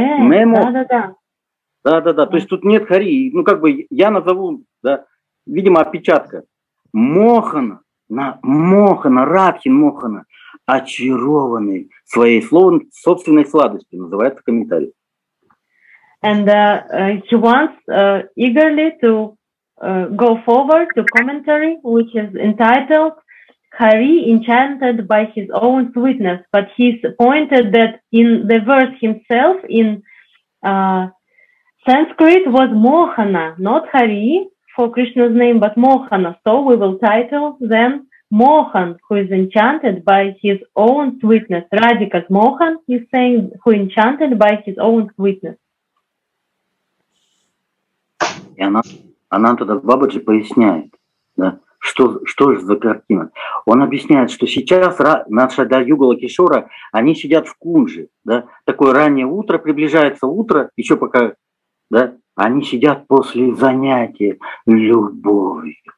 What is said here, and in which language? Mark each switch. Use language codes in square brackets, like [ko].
[ru] Да. То есть тут нет «Хари». Ну, как бы я назову, да, видимо, опечатка. Радхин Мохана, очарованный своей словом, собственной сладостью, называется комментарий. [en] And he wants eagerly to go forward to commentary, which is entitled Hari Enchanted by His Own Sweetness. But he's pointed that in the verse himself, in Sanskrit, was Mohana, not Hari for Krishna's name, but Mohana. So we will title them Mohan, who is enchanted by his own sweetness. Radhika's Mohan, he's saying, who enchanted by his own sweetness. [ru] И она тогда Бабаджи поясняет, да, что же за картина. Он объясняет, что сейчас наша Югала Кишора, они сидят в кунже. Да, такое раннее утро, приближается утро, еще пока, да, они сидят после занятия любовью.